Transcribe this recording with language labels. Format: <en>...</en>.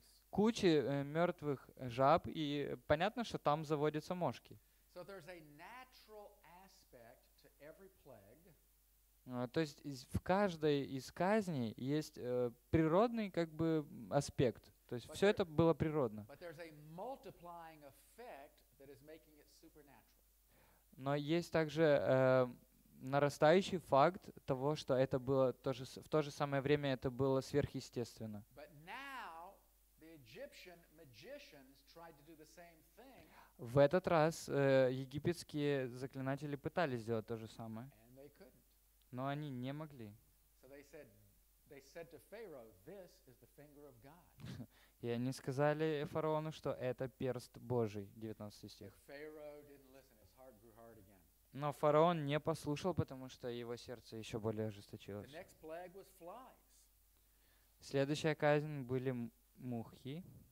<ru>Куча мертвых жаб, и понятно, что там заводятся мошки.</ru> <en>So there's a natural aspect to every plague.</en> <ru>То есть в каждой из казней есть природный как бы аспект. То есть все это было природно.</ru> <en>But there's a multiplying effect that is making it supernatural.</en> <ru>Но есть также нарастающий факт того, что это было в то же самое время это было сверхъестественно.</ru> <en>But now the Egyptian magicians tried to do the same thing.</en> <ru>В этот раз египетские заклинатели пытались сделать то же самое.</ru> <en>And they couldn't.</en> <ru>Но они не могли.</ru> <en>So they said to Pharaoh, this is the finger of God.</en> <ru>И они сказали фараону, что это перст Божий, 19 стих.</ru> <en>Pharaoh didn't listen, his heart grew hard again.</en> <ru>Но фараон не послушал, потому что его сердце еще более ожесточилось.</ru> <en>The next plague was flies.</en> <ru>Следующая казнь были мухи.</ru>